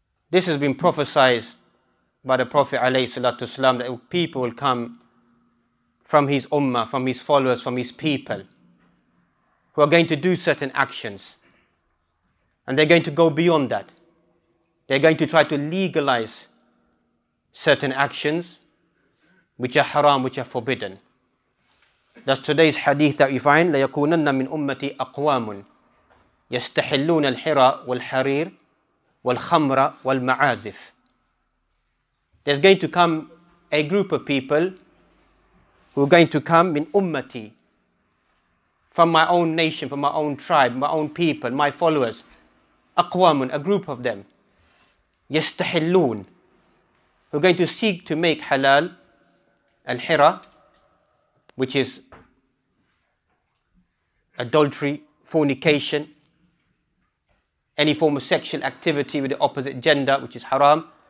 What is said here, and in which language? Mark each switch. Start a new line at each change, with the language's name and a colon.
English: This has been prophesied by the Prophet alayhi salatu wasalam, that people will come from his ummah, from his followers, from his people, who are going to do certain actions. And they're going to go beyond that. They're going to try to legalize certain actions which are haram, which are forbidden. That's today's hadith that we find,
Arabic: لَيَكُونَنَّ مِنْ أُمَّتِي أَقْوَامٌ يَسْتَحِلُّونَ الْحِرَى وَالْحَرِيرِ وَالْخَمْرَ وَالْمَعَازِفِ.
English: There's going to come a group of people who are going to come,
Arabic: مِنْ أُمَّتِي,
English: from my own nation, from my own tribe, my own people, my followers,
Arabic: أَقْوَامٌ,
English: a group of them,
Arabic: يَسْتَحِلُّونَ,
English: who are going to seek to make halal al-hira, which is adultery, fornication, any form of sexual activity with the opposite gender, which is haram.